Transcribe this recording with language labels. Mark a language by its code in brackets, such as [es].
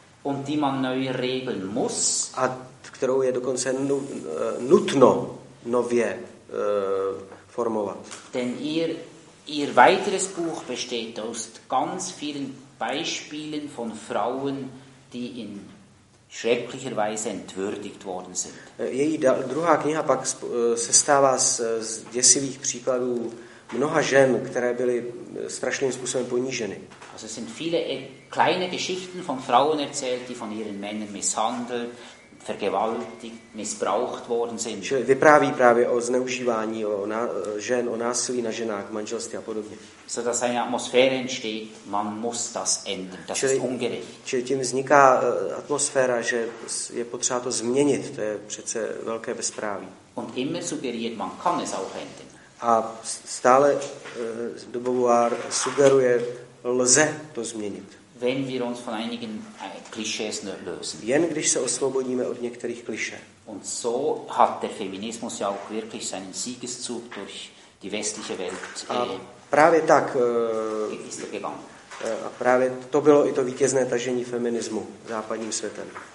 [de] Und die man neu regeln muss. [cs] A kterou je dokonce nutno nově formovat. [de] Denn ihr weiteres Buch besteht aus ganz vielen Beispielen von Frauen, die in schrecklicher Weise entwürdigt worden sind. [cs] Její druhá kniha pak sestává z děsivých příkladů mnoha žen, které byly strašným způsobem poníženy. [de] Also sind viele kleine Geschichten von Frauen erzählt, die von ihren Männern misshandelt, vergewaltigt, missbraucht worden sind. [cs] Čili vypráví právě o zneužívání žen, o násilí na ženách, manželství a podobně. [de] So dass eine Atmosphäre entsteht, man muss das ändern, das ist ungerecht. [cs] Čili tím vzniká atmosféra, že je potřeba to změnit, to je přece velké bezpráví. [de] Und immer sugeriert, man kann es auch ändern. [cs] A stále de Beauvoir sugeruje, lze to změnit. [de] Wenn wir uns von einigen Klischees lösen. [cs] Jen když se osvobodíme od některých klišé. [de] Und so hat der Feminismus ja auch wirklich seinen Siegeszug durch die westliche Welt. [cs] Právě tak. A právě to bylo i to vítězné tažení feminismu západním světem.